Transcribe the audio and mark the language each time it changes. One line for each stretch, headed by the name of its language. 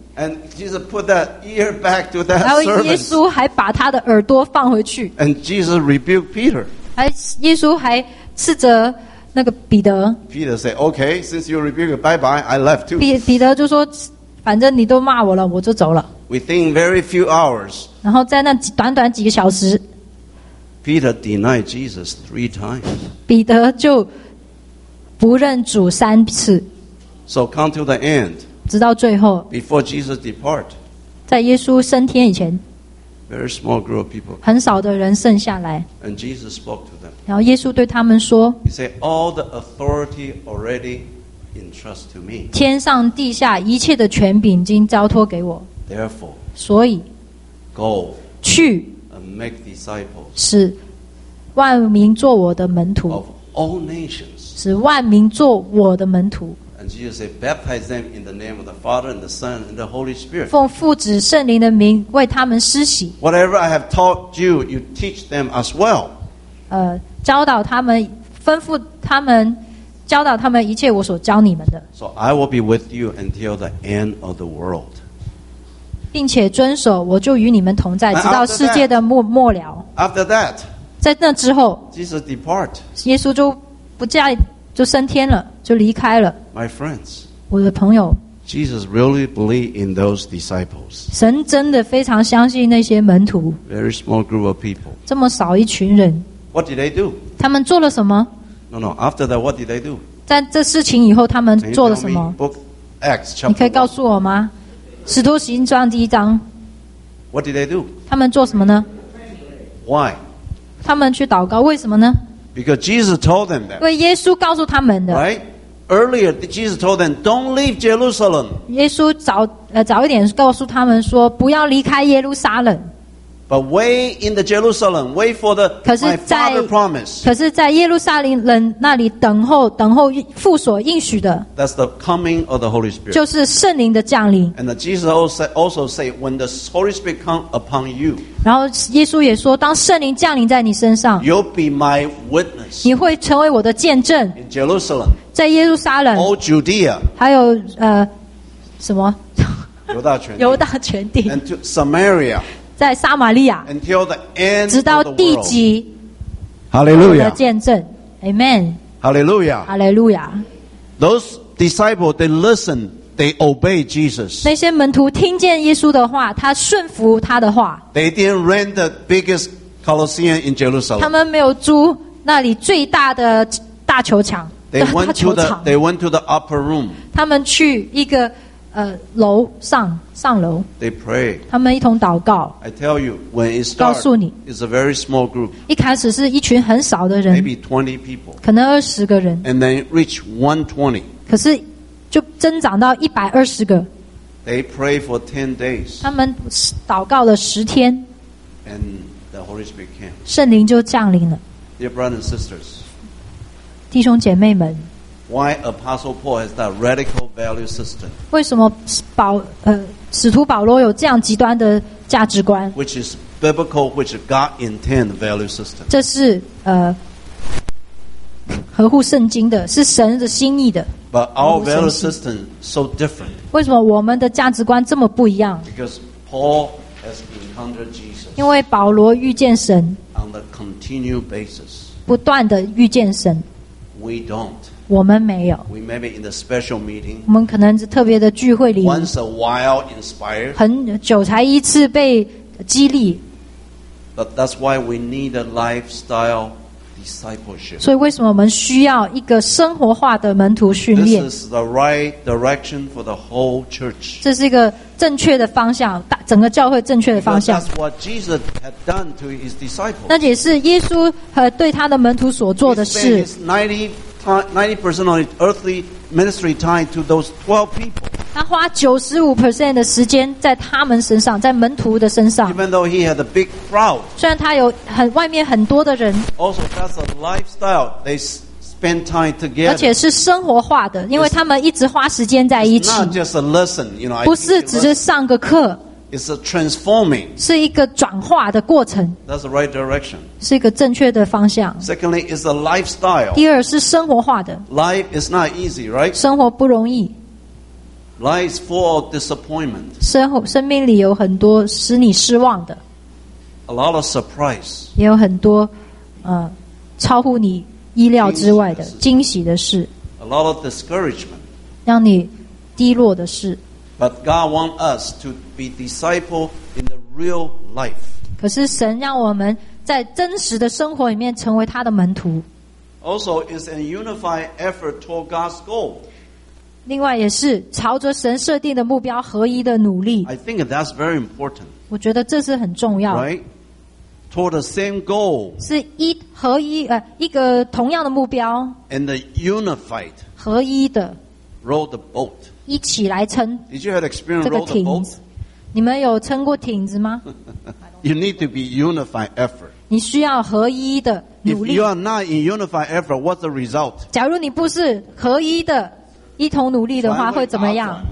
English: And Jesus put that ear back to that servant.
Chinese: 然后耶稣还把他的耳朵放回去。
English: And Jesus rebuked Peter.
Chinese: 耶稣还斥责那个彼得。
English: Peter said, "Okay, since you rebuked, bye bye, I left too."
Chinese: 彼得就说，反正你都骂我了，我就走了。
English: Within very few hours.
Chinese: 然后在那短短几个小时
English: ，Peter denied Jesus three times.
Chinese: 彼得就不认主三次。
English: So come to the end.
Chinese: 直到最后
English: ，Before Jesus depart.
Chinese: 在耶稣升天以前
English: ，Very small group of people.
Chinese: 很少的人剩下来。
English: And Jesus spoke to them.
Chinese: 然后耶稣对他们说
English: ，He said, "All the authority already entrusted to me."
Chinese: 天上地下一切的权柄已经交托给我。
English: Therefore.
Chinese: 所以
English: ，Go.
Chinese: 去
English: ，and make disciples.
Chinese: 使万民做我的门徒。
English: Of all nations.
Chinese: 使万民做我的门徒。
English: And Jesus said, "Baptize them in the name of the Father and the Son and the Holy Spirit."
Chinese: 奉父子圣灵的名为他们施洗。
English: Whatever I have taught you, you teach them as well.
Chinese: 教导他们，吩咐他们，教导他们一切我所教你们的。
English: So I will be with you until the end of the world.
Chinese: 并且遵守，我就与你们同在，直到世界的末了。
English: After that,
Chinese: 在那之后
English: ，Jesus depart.
Chinese: 耶稣就。不嫁就升天了，就离开了。
English: My friends,
Chinese: 我的朋友
English: ，Jesus really believed in those disciples.
Chinese: 神真的非常相信那些门徒。
English: Very small group of people.
Chinese: 这么少一群人。
English: What did they do?
Chinese: 他们做了什么
English: ？No. After that, what did they do?
Chinese: 在这事情以后，他们做了什么
English: ？Book Acts chapter.
Chinese: 你可以告诉我吗？《使徒行传》第一章。
English: What did they do?
Chinese: 他们做什么呢
English: ？Why?
Chinese: 他们去祷告，为什么呢？
English: Because Jesus told them that.
Chinese: 因为耶稣告诉他们的。
English: Right? Earlier, Jesus told them, "Don't leave Jerusalem."
Chinese: 耶稣早一点告诉他们说，不要离开耶路撒冷。
English: But wait in the Jerusalem. Wait for the my Father promise.
Chinese: 可是在耶路撒冷人那里等候父所应许的。
English: That's the coming of the Holy Spirit.
Chinese: 就是圣灵的降临。
English: And Jesus also say, "When the Holy Spirit come upon you."
Chinese: 然后耶稣也说，当圣灵降临在你身上
English: ，You'll be my witness.
Chinese: 你会成为我的见证。
English: In Jerusalem.
Chinese: 在耶路撒冷。
English: All Judea.
Chinese: 还有什么？犹大全地。
English: And to Samaria.
Chinese: 在撒玛利亚
English: Until the end
Chinese: 直到地极
English: Hallelujah
Chinese: 的见证 Amen
English: Hallelujah Hallelujah Those disciples they listen they obey Jesus
Chinese: 那些门徒听见耶稣的话他顺服他的话
English: They didn't rent the biggest Colosseum in Jerusalem
Chinese: 他们没有租那里最大的大球场
English: They went to the upper room
Chinese: 他们去一个楼上楼
English: They pray.
Chinese: 他们一同祷告
English: I tell you, when it starts,
Chinese: 告诉你
English: it's a very small group.
Chinese: 一开始是一群很少的人
English: Maybe 20 people.
Chinese: 可能20个人
English: And then reach 120.
Chinese: 可是就增长到120个
English: They pray for 10 days.
Chinese: 他们祷告了10天
English: And the Holy Spirit came.
Chinese: 圣灵就降临了
English: Dear brothers and sisters.
Chinese: 弟兄姐妹们
English: Why Apostle Paul has that radical value system?
Chinese: 为什么使徒保罗有这样极端的价值观
English: ？Which is biblical, which God intend value system?
Chinese: 这是合乎圣经的，是神的心意的。
English: But our value system so different.
Chinese: 为什么我们的价值观这么不一样
English: ？Because Paul has encountered Jesus.
Chinese: 因为保罗遇见神。
English: On a continual basis.
Chinese: 不断的遇见神。
English: We don't.
Chinese: 我们没有。
English: We may be in the special meeting,
Chinese: 我们可能是特别的聚会里。
English: Once a while inspired,
Chinese: 很久才一次被激励。
English: But that's why we need a lifestyle discipleship.
Chinese: 所以为什么我们需要一个生活化的门徒训练
English: ？This is the right direction for the whole church.
Chinese: 这是一个正确的方向，整个教会正确的方向。
English: Because that's what Jesus had done to his disciples.
Chinese: 那也是耶稣和对他的门徒所做的事。
English: 90% of his earthly ministry time to those 12 people.
Chinese: 他花95%的时间在他们身上，在门徒的身上。
English: Even though he had a big crowd,
Chinese: 虽然他有外面很多的人。
English: Also, that's a lifestyle. They spend time together.
Chinese: 而且是生活化的，因为他们一直花时间在一起。
English: Not just a lesson, you know.
Chinese: 不是只是上个课。
English: It's a transforming.
Chinese: 是一个转化的过程。
English: That's the right direction.
Chinese: 是一个正确的方向。
English: Secondly, it's a lifestyle.
Chinese: 第二是生活化的。
English: Life is not easy, right?
Chinese: 生活不容易。
English: Life is full of disappointment.
Chinese: 生命里有很多使你失望的。
English: A lot of surprise.
Chinese: 也有很多超乎你意料之外的惊喜的事。
English: A lot of discouragement.
Chinese: 让你低落的事。
English: But God wants us to be disciples in the real life.
Chinese: 可是神让我们在真实的生活里面成为他的门徒。
English: Also, it's a unified effort toward God's goal.
Chinese: 另外也是朝着神设定的目标合一的努力。
English: I think that's very important.
Chinese: 我觉得这是很重要。
English: Right? Toward the same goal.
Chinese: 是一合一一个同样的目标。
English: And the unified.
Chinese: 合一的。
English: Row the boat.
Chinese: 一起来撑这个艇子，你们有撑过艇子吗？
English: You need to be unified effort.
Chinese: 你需要合一的努力。
English: If you are not in unified effort, what's the result?
Chinese: 假如你不是合一的一同努力的话，会怎么样？